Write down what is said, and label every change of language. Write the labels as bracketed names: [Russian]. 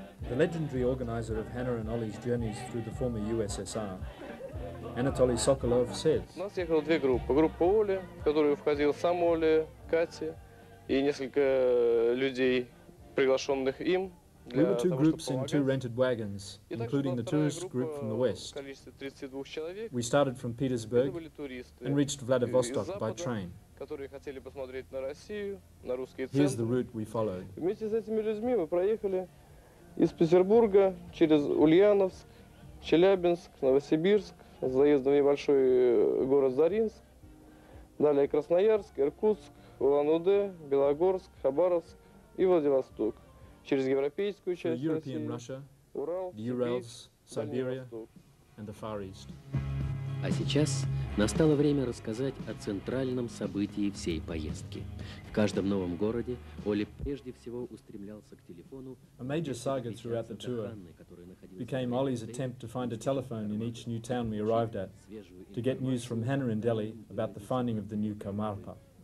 [English] The legendary organizer of Ханна and Оле's journeys through the former USSR, Anatoly Sokolov, says. [Russian] У нас ехало две группы. Группа Оли, в которую входил сам Оле, Катя и несколько людей, приглашенных им. [English] We were two groups in two rented wagons, including the tourist group from the West. We started from Petersburg and reached Vladivostok by train. [Russian] Которые хотели посмотреть на Россию, на русские центры. [English] Here's the route we followed. [Russian] Вместе с этими людьми мы проехали из Петербурга через Ульяновск, Челябинск, Новосибирск, заездом небольшой город Заринск, далее Красноярск, Иркутск, Улан-Удэ, Белогорск, Хабаровск и Владивосток. Через европейскую часть [English] России, Russia, Урал, Сибирь, Siberia, and the Far East. [Russian] А сейчас настало время рассказать о центральном событии всей поездки. В каждом новом городе Оле прежде всего устремлялся к телефону. [English] A major saga throughout the tour became Ollie's attempt to find a telephone in each new town we arrived at to get news from Hannah in Delhi about the finding of the new Karmarpa.